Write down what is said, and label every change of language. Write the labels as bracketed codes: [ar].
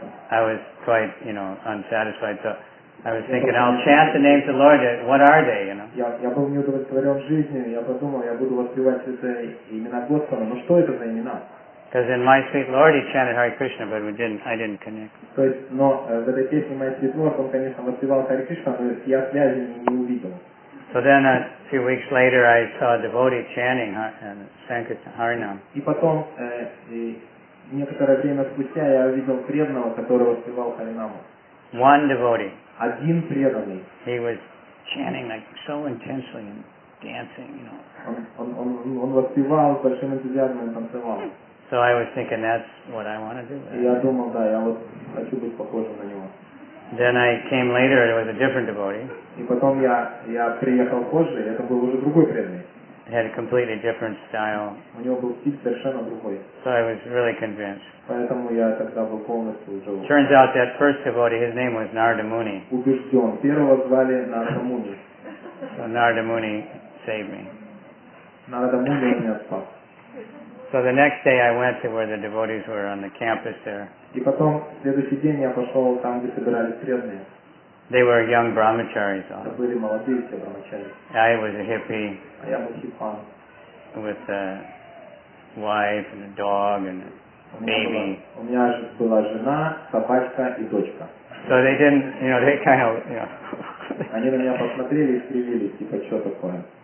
[en] I was quite, you know, unsatisfied. So I was thinking, I'll chant the names of the Lord, what are they, you know? [ru] Я был неудовлетворен жизнью, я подумал, я буду воспевать святые имена Господа, но что это за имена? [en] Because in My Sweet Lord he chanted Hare Krishna, but I didn't connect. [ru] То есть, но в этой песне My Sweet Lord он, конечно, воспевал Харе Кришна, но я связи не увидел. [en] So then a few weeks later I saw a devotee chanting Sankirtan Harinam. [ru] И потом, некоторое время спустя я увидел преданного, который воспевал Харинаму. [en] One devotee. [ru] Один преданный. [en] He was chanting like so intensely and dancing, you know. [ru] Он воспевал с большим энтузиазмом, танцевал. [en] So I was thinking that's what I want to do. [ru] Я думал, да, я вот хочу быть похожим на него. [en] Then I came later and it was a different devotee. [ru] И потом я приехал позже, это был уже другой преданный. [en] He had a completely different style. [ru] У него был стиль совершенно другой. [en] So I was really convinced. [ru] Поэтому я тогда был полностью уже. [en] Turns out that first devotee, his name was Narada Muni. [ru] Убежден. Первого звали Нарада Муни. [en] So Narada Muni saved me. [ru] Нарада Муни меня спас. [en] So the next day I went to where the devotees were on the campus there. [ru] И потом следующий день я пошел там, где собирались преданные. [en] They were young brahmacharis. [ru] Это были молодые все брахмачари. [en] I was a hippie. [ru] А я был хиппан. [en] With a wife and a dog and a baby. [ru] У меня же была жена, собачка и дочка. [en] So they didn't, you know, they kind of, you know. [ru] Они на меня посмотрели и скривились, типа, что такое?